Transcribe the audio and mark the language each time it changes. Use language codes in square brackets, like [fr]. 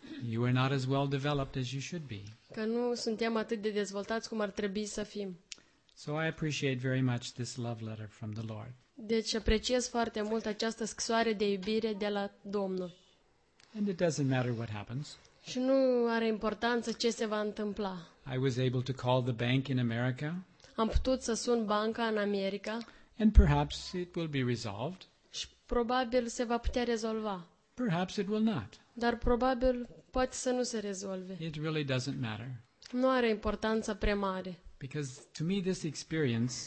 [en] You are not as well developed as you should be. [ro] Că nu suntem atât de dezvoltați cum ar trebui să fim. [en] So I appreciate very much this love letter from the Lord. [ro] Deci apreciez foarte mult această scrisoare de iubire de la Domnul. [en] And it doesn't matter what happens. [ro] Și nu are importanță ce se va întâmpla. [en] I was able to call the bank in America. [ro] Am putut să sun banca în America. [en] And perhaps it will be resolved. [ro] Și probabil se va putea rezolva. [en] Perhaps it will not. [ro] Dar probabil poate să nu se rezolve. [en] It really doesn't matter. [ro] Nu are importanță prea mare. [en] Because to me this experience